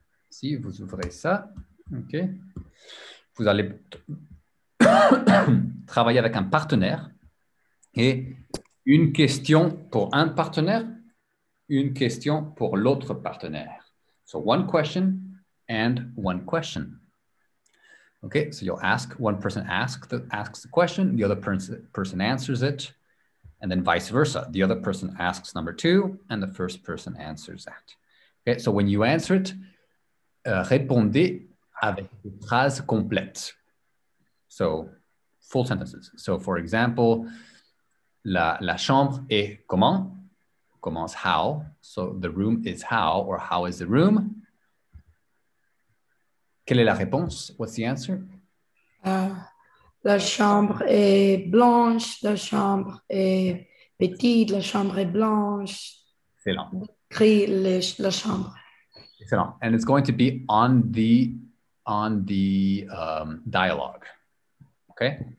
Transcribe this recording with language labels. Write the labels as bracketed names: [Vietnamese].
[French] Si vous ouvrez ça. OK. Vous allez travailler avec un partenaire et une question pour un partenaire, une question pour l'autre partenaire. [English] So one question and one question. OK, so you'll ask, one person asks the question, the other person answers it, and then vice versa. The other person asks number two and the first person answers that. OK, so when you answer it, [French] répondez avec des phrases complètes. [English] So, full sentences. So, for example, [French] la chambre est comment? [English] Comment's how? So, the room is how, or how is the room? [French] Quelle est la réponse? [English] What's the answer? [French] La chambre est blanche, la chambre est petite, la chambre est blanche. Excellent. La chambre. Excellent. [English] And it's going to be on the dialogue, okay?